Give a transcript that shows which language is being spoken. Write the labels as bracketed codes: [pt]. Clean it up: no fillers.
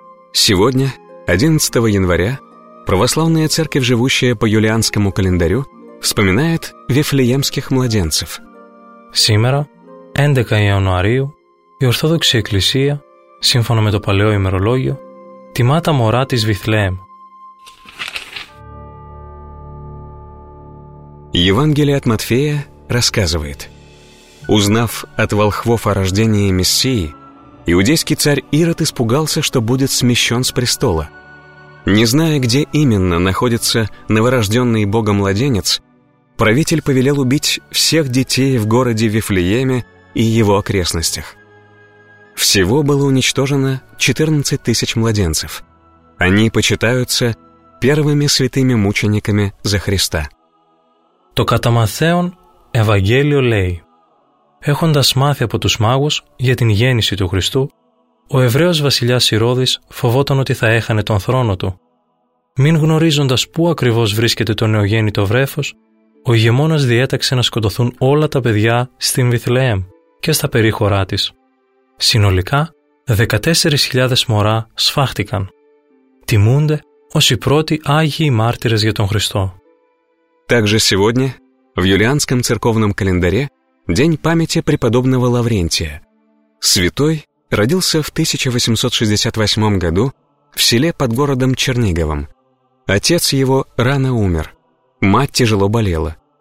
[ru] Сегодня, 11 января, православная церковь, живущая по юлианскому календарю, вспоминает вифлеемских младенцев. Сегодня, 11 января, [el] η Ορθόδοξη Εκκλησία, σύμφωνα με το παλαιό ημερολόγιο, τιμά τα μωρά της Βηθλέμ. [ru] Евангелие от Матфея рассказывает. Узнав от волхвов о рождении Мессии, иудейский царь Ирод испугался, что будет смещен с престола. Не зная, где именно находится новорожденный Богом младенец, правитель повелел убить всех детей в городе Вифлееме и его окрестностях. Всего было уничтожено 14 тысяч младенцев. Они почитаются первыми святыми мучениками за Христа. [el] Το κατά Ματθαίον Ευαγγέλιο λέει: «Έχοντας μάθει από τους μάγους για την γέννηση του Χριστού, ο Εβραίος βασιλιάς Ηρώδης φοβόταν ότι θα έχανε τον θρόνο του. Μην γνωρίζοντας πού ακριβώς βρίσκεται το νεογέννητο βρέφος, ο ηγεμόνας διέταξε να σκοτωθούν όλα τα παιδιά στην Βηθλεέμ και στα περίχωρά της. Συνολικά, 14.000 μωρά σφάχτηκαν. Τιμούνται ως οι πρώτοι Άγιοι Μάρτυρες για τον Χριστό». [ru] Также сегодня, в юлианском церковном календаре, день памяти преподобного Лаврентия. Святой родился в 1868 году в селе под городом Черниговом. Отец его рано умер, мать тяжело болела.